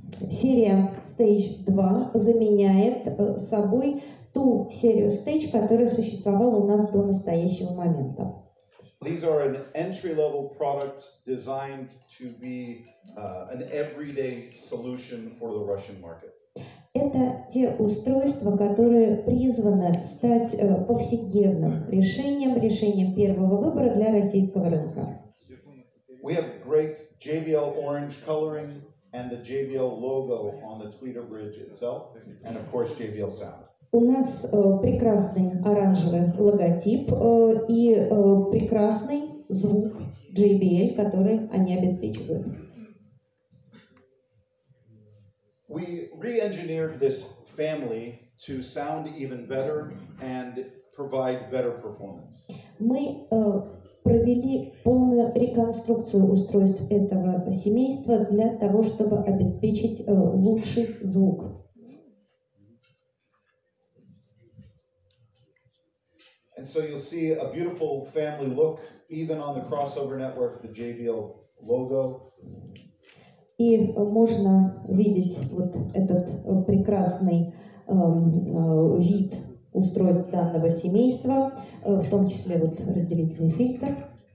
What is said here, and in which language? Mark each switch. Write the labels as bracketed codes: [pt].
[ru] Серия Stage 2 заменяет собой ту серию Stage, которая существовала у нас до настоящего момента. [en] These are an entry-level product designed to be an everyday solution for the Russian market. [ru] Это те устройства, которые призваны стать повседневным решением, решением первого выбора для российского рынка. [en] We have great JBL orange coloring and the JBL logo on the tweeter bridge itself, and of course JBL sound. [ru] У нас прекрасный оранжевый логотип и прекрасный звук JBL, который они обеспечивают. [en] We re-engineered this family to sound even better and provide better performance. [ru] Мы провели полную реконструкцию устройств этого семейства для того, чтобы обеспечить лучший звук. [en] And so you'll see a beautiful family look even on the crossover network, the JBL logo. [ru] И можно видеть вот этот прекрасный вид устройств данного семейства, в том числе вот разделительный фильтр.